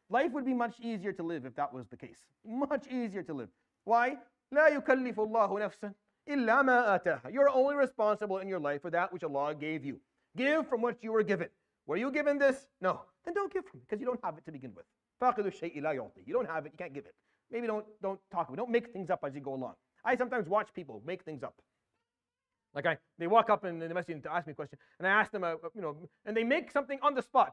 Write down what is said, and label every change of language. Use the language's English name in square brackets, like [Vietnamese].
[English] Life would be much easier to live if that was the case. Much easier to live. Why? [Arabic] لا يكلف الله نفسا إلا ما آتاها. [English] You're only responsible in your life for that which Allah gave you. Give from what you were given. Were you given this? No. Then don't give from it, because you don't have it to begin with. [Arabic] فَاقِدُ الشَّيْءِ لَا يُعْطِي. [English] You don't have it, you can't give it. Maybe don't talk about it. Don't make things up as you go along. I sometimes watch people make things up. Like they walk up in the masjid to ask me a question, and I ask them, and they make something on the spot.